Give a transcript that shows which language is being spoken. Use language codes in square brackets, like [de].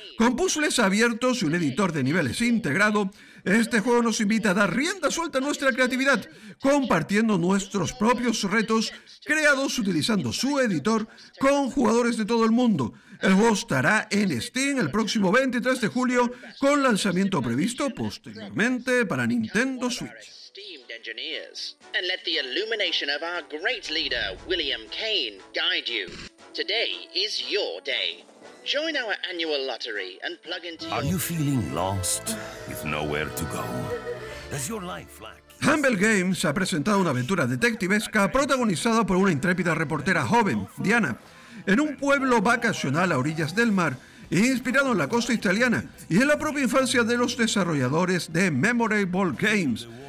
[es] Con puzzles abiertos y un editor de niveles integrado, este juego nos invita a dar rienda suelta a nuestra creatividad, compartiendo nuestros propios retos creados utilizando su editor con jugadores de todo el mundo. El juego estará en Steam el próximo 23 de julio, con lanzamiento previsto posteriormente para Nintendo Switch. [en] Engineers, and let the illumination of our great leader, William Kane, guide you. Today is your day. Join our annual lottery and plug into your... Are you feeling lost with nowhere to go? Does your life lack... [es] Humble Games ha presentado una aventura detectivesca protagonizada por una intrépida reportera joven, Diana, en un pueblo vacacional a orillas del mar, inspirado en la costa italiana y en la propia infancia de los desarrolladores de Memorable Games.